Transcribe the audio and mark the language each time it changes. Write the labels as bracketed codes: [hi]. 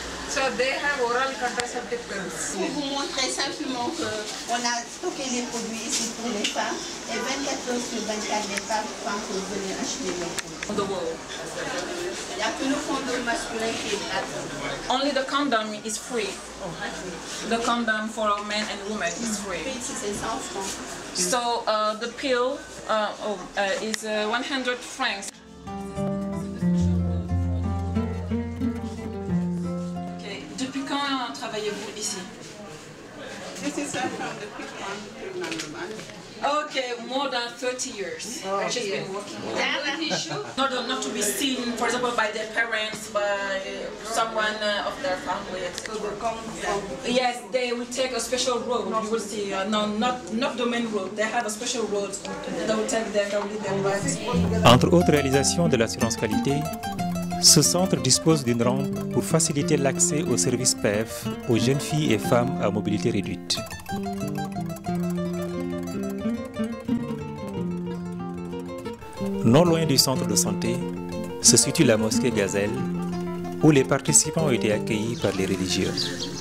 [en] So they have oral contraceptive pills. [fr] Pour vous montrer simplement qu'on a stocké les produits ici pour les femmes et 24 heures sur 24 les femmes quand vous venez acheter les produits. Il n'y a que le condom masculin qui est gratuit. [en] Only the condom is free. Oh. The condom for men and women is free. [fr] C'est 100 francs. [en] So the pill is 100 francs. Okay. [fr] Depuis quand travaillez-vous ici? [en] This is her from the Pitman. Okay, more than 30 years. Oh, she's been working on that issue. Not to be seen, for example, by their parents, by someone of their family. So they come from. Yes, they will take a special road. You will see. Not the main road. They have a special road. They will take them, they will lead them right. [fr] Entre autres réalisations de l'assurance qualité, ce centre dispose d'une rampe pour faciliter l'accès au service PEF aux jeunes filles et femmes à mobilité réduite. Non loin du centre de santé se situe la mosquée Gazelle, où les participants ont été accueillis par les religieuses.